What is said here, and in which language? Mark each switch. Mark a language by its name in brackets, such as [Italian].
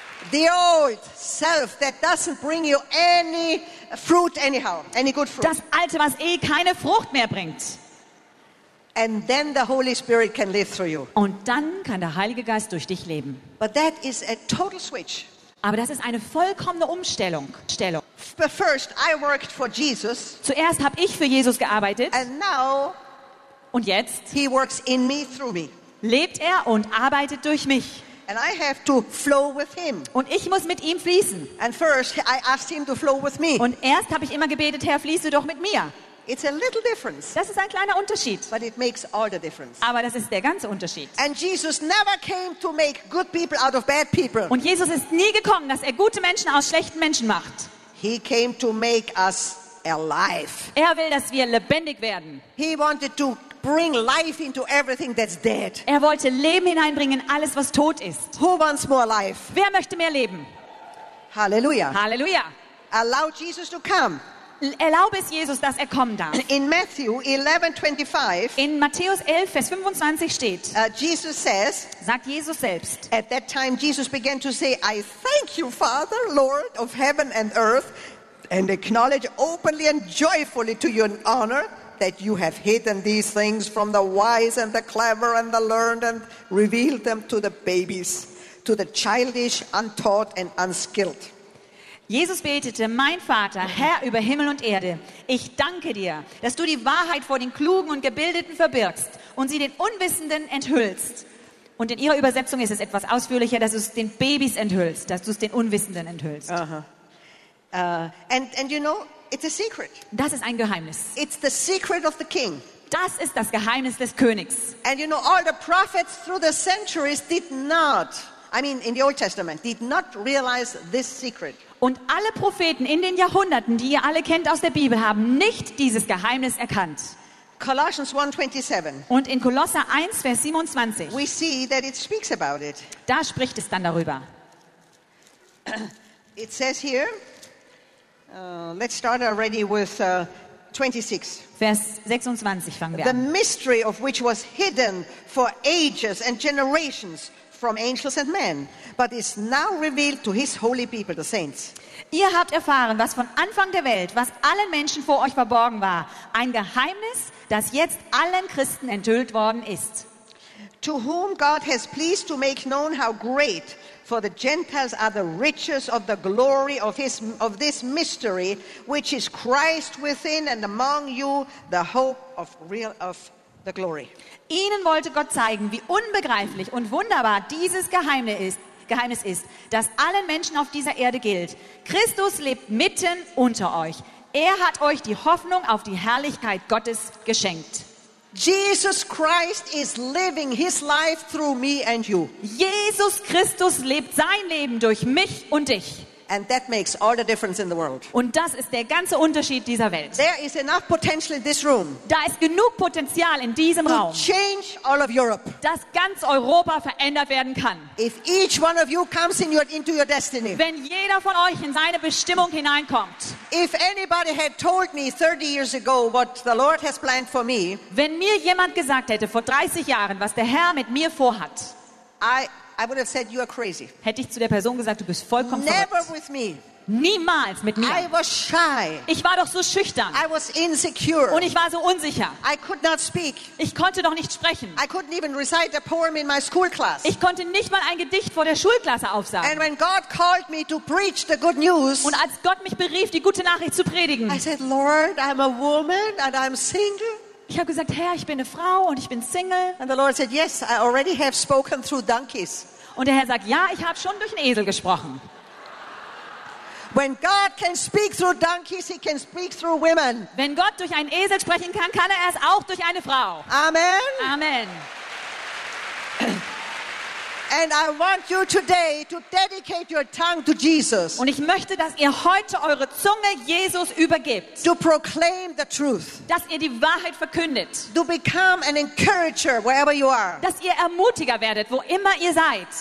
[English] The old self that doesn't bring you any fruit anyhow, any good fruit. [German] Das Alte, was eh keine Frucht mehr bringt. [English] And then the Holy Spirit can live through you. [German] Und dann kann der Heilige Geist durch dich leben. [English] But that is a total switch. [German] Aber das ist eine vollkommene Umstellung. [English] But first I worked for Jesus. [German] Zuerst habe ich für Jesus gearbeitet. [English] And now. [German] Und jetzt. [English] He works in me through me. [German] Lebt er und arbeitet durch mich. [English] And I have to flow with him. [German] Und ich muss mit ihm fließen. [English] And first I asked him to flow with me. [German] Und erst habe ich immer gebetet, Herr, fließe doch mit mir. [English] It's a little difference. [German] Das ist ein kleiner Unterschied. [English] But it makes all the difference. [German] Aber das ist der ganze Unterschied. [English] And Jesus never came to make good people out of bad people. [German] Und Jesus ist nie gekommen, dass er gute Menschen aus schlechten Menschen macht. [English] He came to make us alive. [German] Er will, dass wir lebendig werden. [English] He wanted to bring life into everything that's dead. [German] Er wollte Leben hineinbringen in alles, was tot ist. [English] Who wants more life? [German] Wer möchte mehr Leben? [English] Halleluja. [German] Halleluja. [English] Allow Jesus to come. [German] Erlaube es Jesus, dass er kommen darf. [English] In Matthew 11:25. [German] In Matthäus 11, Vers 25 steht. [English] Jesus says. [German] Sagt Jesus selbst. [English] At that time Jesus began to say, I thank you, Father, Lord of heaven and earth, and acknowledge openly and joyfully to your honor. that you have hidden these things from the wise and the clever and the learned and revealed them to the babies, to the childish, untaught and unskilled. [German] Jesus betete, mein Vater, Herr über Himmel und Erde, ich danke dir, dass du die Wahrheit vor den Klugen und Gebildeten verbirgst und sie den Unwissenden enthüllst. Und in ihrer Übersetzung ist es etwas ausführlicher, dass du es den Babys enthüllst, dass du es den Unwissenden enthüllst. [English] And you know, it's a secret. [German] Das ist ein Geheimnis. [English] It's the secret of the king. [German] Das ist das Geheimnis des Königs. [English] And you know, all the prophets through the centuries did not, I mean in the Old Testament, did not realize this secret. [German] Und alle Propheten in den Jahrhunderten, die ihr alle kennt aus der Bibel, haben nicht dieses Geheimnis erkannt. [English] Colossians 1:27. [German] Und in Kolosser 1, Vers 27, [English] we see that it speaks about it. [German] Da spricht es dann darüber. [English] It says here, let's start already with 26. [German] Vers 26 fangen wir [English] the [German] an. [English] The mystery of which was hidden for ages and generations from angels and men, but is now revealed to his holy people, the saints. [German] Ihr habt erfahren, was von Anfang der Welt, was allen Menschen vor euch verborgen war, ein Geheimnis, das jetzt allen Christen enthüllt worden ist. [English] To whom God has pleased to make known how great for the Gentiles are the riches of the glory of his of this mystery, which is Christ within and among you, the hope of real of the glory. [German] Ihnen wollte Gott zeigen, wie unbegreiflich und wunderbar dieses Geheimnis ist, das allen Menschen auf dieser Erde gilt. Christus lebt mitten unter euch. Er hat euch die Hoffnung auf die Herrlichkeit Gottes geschenkt. [English] Jesus Christ is living his life through me and you. [German] Jesus Christus lebt sein Leben durch mich und dich. [English] And that makes all the difference in the world. [German] Und das ist der ganze Unterschied dieser Welt. [English] There is enough potential in this room. [German] Da ist genug Potenzial in diesem Raum. [English] To change all of Europe. [German] Dass ganz Europa verändert werden kann. [English] If each one of you comes in your, into your destiny. [German] Wenn jeder von euch in seine Bestimmung hineinkommt. [English] If anybody had told me 30 years ago what the Lord has planned for me. [German] Wenn mir jemand gesagt hätte vor 30 Jahren, was der Herr mit mir vorhat. [English] I would have said you are crazy. [German] Hätte ich zu der Person gesagt, du bist vollkommen [English] Never [German] verrückt. [English] With me. [German] Niemals mit mir. [English] I was shy. [German] Ich war doch so schüchtern. [English] I was insecure. [German] Und ich war so unsicher. [English] I could not speak. [German] Ich konnte doch nicht sprechen. [English] I couldn't even recite a poem in my school class. [German] Ich konnte nicht mal ein Gedicht vor der Schulklasse aufsagen. [English] And when God called me to preach the good news, [German] und als Gott mich berief, die gute Nachricht zu predigen, [English] I said, Lord, I'm a woman and I'm single. [German] Ich habe gesagt, Herr, ich bin eine Frau und ich bin Single. [English] And the Lord said, yes, I already have spoken through donkeys. [German] Und der Herr sagt, ja, ich habe schon durch einen Esel gesprochen. [English] When God can speak through donkeys, he can speak through women. [German] Wenn Gott durch einen Esel sprechen kann, kann er es auch durch eine Frau. [English] Amen. [German] Amen. [English] And I want you today to dedicate your tongue to Jesus. [German] Und ich möchte, dass ihr heute eure Zunge Jesus übergibt. [English] To proclaim the truth. [German] Dass ihr die Wahrheit verkündet. [English] To become an encourager wherever you are. [German] Dass ihr ermutiger werdet, wo immer ihr seid.